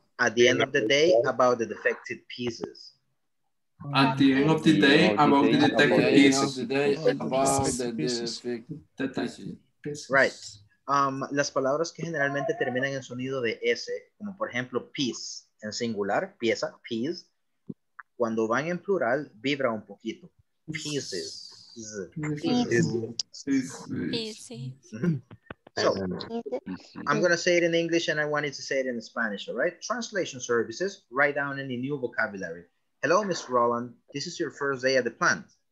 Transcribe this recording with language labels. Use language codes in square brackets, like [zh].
[en] At the end of the day, about the defective pieces. At the end of the day, about the defective pieces. Right. [es] Las palabras que generalmente terminan en sonido de S, como por ejemplo piece, en singular, pieza, piece, cuando van en plural, vibra un poquito. [en] Pieces. Pieces. So, I'm going to say it in English and I wanted to say it in Spanish, all right? Translation services, write down any new vocabulary. Hello, Miss Roland. This is your first day at the plant.